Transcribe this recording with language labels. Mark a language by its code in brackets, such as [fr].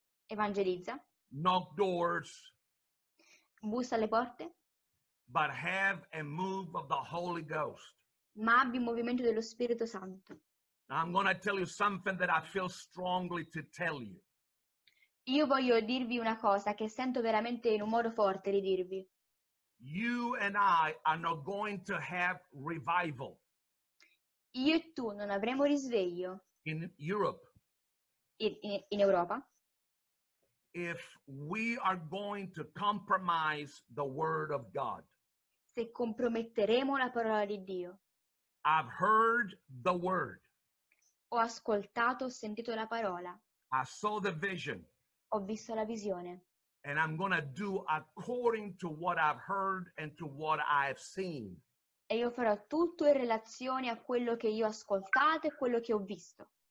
[it] Evangelizza. [en] Knock doors. [it] Bussa alle porte. [en] But have a move of the Holy Ghost. [it] Ma abbi un movimento dello Spirito Santo. [en] Now I'm going to tell you something that I feel strongly to tell you. [it] Io voglio dirvi una cosa che sento veramente in un modo forte di dirvi. [en] You and I are not going to have revival. [it] Io e tu non avremo risveglio. [en] In Europe. [it] In Europa. [en] If we are going to compromise the word of God. [it] Se comprometteremo la parola di Dio. [en] I've heard the word. [it] Ho ascoltato, ho sentito la parola. [en] I saw the vision. [it] Ho visto la visione. [en] And I'm going to do according to what I've heard and to what I've seen. [it] E io farò tutto in relazione a quello che io ho ascoltato e quello che ho visto.